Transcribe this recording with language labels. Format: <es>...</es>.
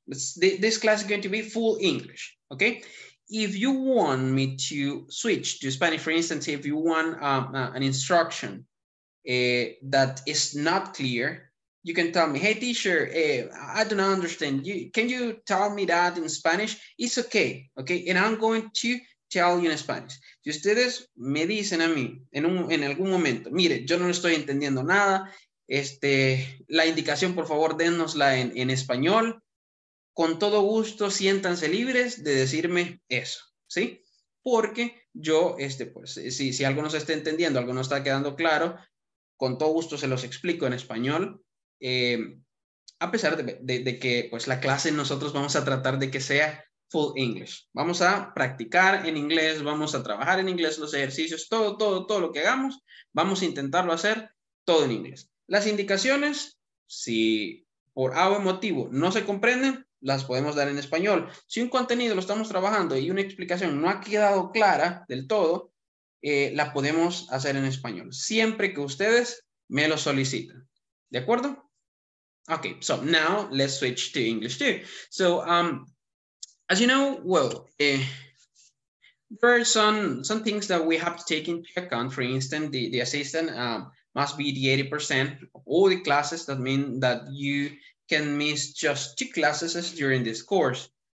<en>This class is going to be full English. Okay. If you want me to switch to Spanish, for instance, if you want an instruction that is not clear, you can tell me, hey, teacher, I do not understand you. Can you tell me that in Spanish? It's okay, okay? And I'm going to tell you in Spanish.</en> <es>Y ustedes me dicen a mí en algún momento, mire, yo no estoy entendiendo nada. La indicación, por favor, dénosla en español. Con todo gusto, siéntanse libres de decirme eso, ¿sí? Porque yo, pues, si algo no se está entendiendo, algo no está quedando claro, con todo gusto se los explico en español, a pesar de que, pues, la clase nosotros vamos a tratar de que sea</es> <en>full English.</en> <es>Vamos a practicar en inglés, vamos a trabajar en inglés, los ejercicios, todo lo que hagamos, vamos a intentarlo hacer todo en inglés. Las indicaciones, si por algún motivo no se comprenden, las podemos dar en español. Si un contenido lo estamos trabajando y una explicación no ha quedado clara del todo, la podemos hacer en español, siempre que ustedes me lo solicitan. ¿De acuerdo?</es> <en>Ok, so now let's switch to English too. So, as you know, well, there are some things that we have to take into account. For instance, the assistant must be the 80% of all the classes. That mean that you can miss just two classes during this course.</en>